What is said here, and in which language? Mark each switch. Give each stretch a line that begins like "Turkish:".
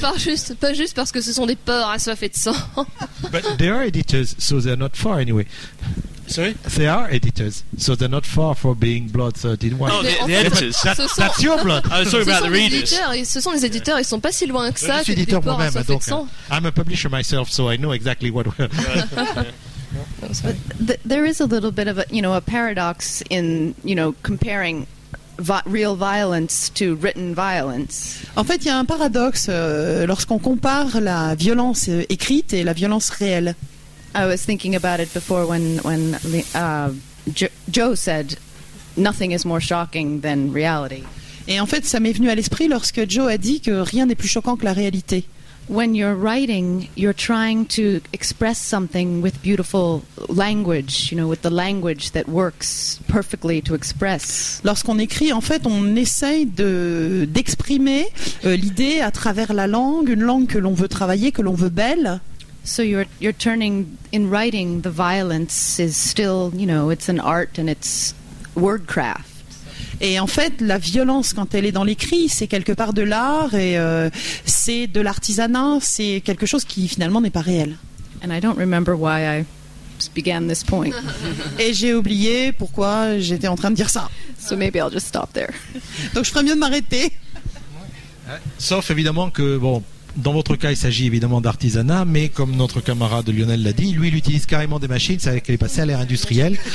French: Pas juste parce que ce sont des porcs assoiffés de sang.
English: But they are editors, so they're not far anyway. Sorry? They are editors, so they're not far from being bloodthirsty swine. No, the editors. That's your blood. I was talking about the readers.
French: Ce sont les éditeurs, ils ne sont pas si loin que ça. Je suis éditeur moi-même, donc.
English: I'm a publisher myself, so I know exactly what. But there is a little bit of a paradox in comparing real violence to written violence.
French: En fait, il y a un paradoxe lorsqu'on compare la violence écrite et la violence réelle.
English: I was thinking about it before when Joe said nothing is more shocking than reality.
French: Et en fait, ça m'est venu à l'esprit lorsque Joe a dit que rien n'est plus choquant que la réalité.
English: When you're writing, you're trying to express something with beautiful language, with the language that works perfectly to express.
French: Lorsqu'on écrit, en fait, on essaye d'exprimer l'idée à travers la langue, une langue que l'on veut travailler, que l'on veut belle.
English: So you're turning, in writing, the violence is still, it's an art and it's wordcraft.
French: Et en fait, la violence, quand elle est dans l'écrit, c'est quelque part de l'art et c'est de l'artisanat, c'est quelque chose qui finalement n'est pas réel.
English: And I don't remember why I began this point.
French: Et j'ai oublié pourquoi j'étais en train de dire ça.
English: So maybe I'll just stop there.
French: Donc je ferais mieux de m'arrêter. Sauf évidemment que, dans votre cas, il s'agit évidemment d'artisanat, mais comme notre camarade Lionel l'a dit, lui, il utilise carrément des machines, c'est-à-dire qu'elle est passée à l'ère industrielle.